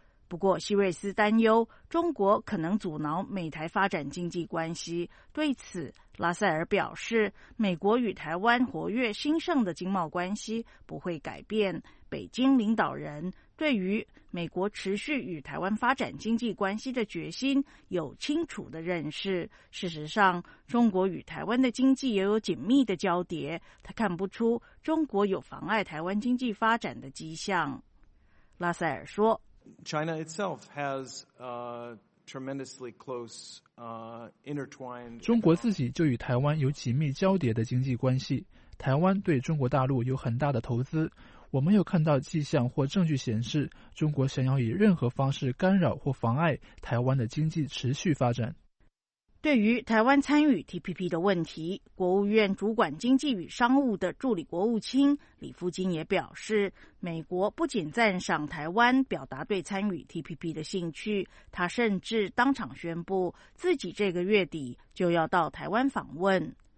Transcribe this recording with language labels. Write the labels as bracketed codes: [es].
[zh] 不过希瑞斯担忧中国可能阻挠美台发展经济关系，对此拉塞尔表示，美国与台湾活跃兴盛的经贸关系不会改变，北京领导人对于美国持续与台湾发展经济关系的决心有清楚的认识，事实上中国与台湾的经济也有紧密的交叠，他看不出中国有妨碍台湾经济发展的迹象。拉塞尔说， [en] China itself has a tremendously close, intertwined. [zh] 中国自己就与台湾有紧密交叠的经济关系。台湾对中国大陆有很大的投资。我没有看到迹象或证据显示中国想要以任何方式干扰或妨碍台湾的经济持续发展。对于台湾参与 TPP 的问题，国务院主管经济与商务的助理国务卿李富金也表示，美国不仅赞赏台湾表达对参与 TPP 的兴趣，他甚至当场宣布自己这个月底就要到台湾访问。